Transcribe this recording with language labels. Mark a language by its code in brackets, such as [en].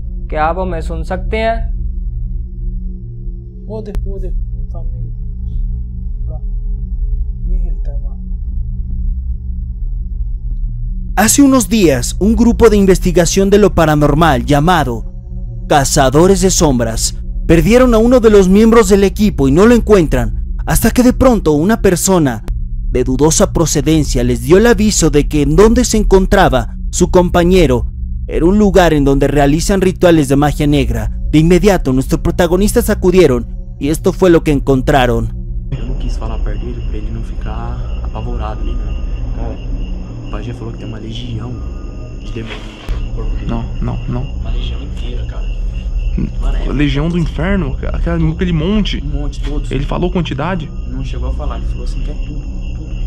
[hi] क्या आप हमें सुन सकते हैं? वो देख सामने ये हिलता है वहां। [es] हace unos días, un grupo de investigación de lo paranormal llamado Cazadores de Sombras perdieron a uno de los miembros del equipo y no lo encuentran, hasta que de pronto una persona de dudosa procedencia les dio el aviso de que en donde se encontraba su compañero era un lugar en donde realizan rituales de magia negra. De inmediato, nuestros protagonistas acudieron y esto fue lo que encontraron. Yo no quise hablar perdido para él no [pt] ficar apavorado, [es] ¿no? [pt] O pajé falou que tem uma legião de demônios no corpo dele. Não, não, não. Uma legião inteira, cara. Legião do inferno? Aquele monte? Um monte, todos. Ele falou quantidade? Não chegou a falar, ele falou assim que é tudo.